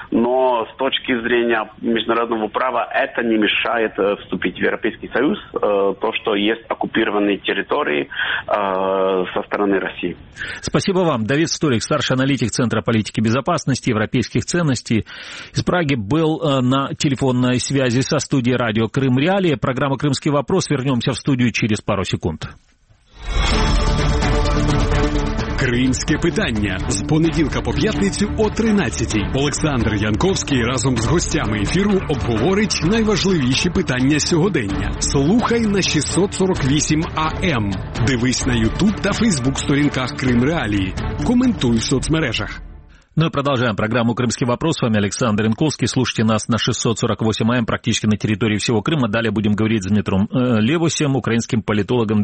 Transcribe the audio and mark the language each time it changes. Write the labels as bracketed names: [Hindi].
[Russian] Но с точки зрения международного права это не мешает вступить в Европейский Союз, то, что есть оккупированные территории со стороны России. Спасибо вам. Давид Столик, старший аналитик Центра политики безопасности европейских ценностей из Праги, был на телефонной связи со студией радио «Крым Реалии». Программа «Крымский вопрос». Вернемся в студию через пару секунд. [Ukrainian] Кримське питання з понеділка по п'ятницю о 13:00. Олександр Янковський разом з гостями ефіру обговорить найважливіші питання сьогодення. Слухай на 648 АМ. Дивись на YouTube та Facebook сторінках Крим Реалії. Коментуй в соцмережах. [Russian] Ну и продолжаем программу «Крымский вопрос». С вами Александр Янковский. Слушайте нас на 648 АМ практически на территории всего Крыма. Далее будем говорить с Дмитром Левусем, украинским политологом.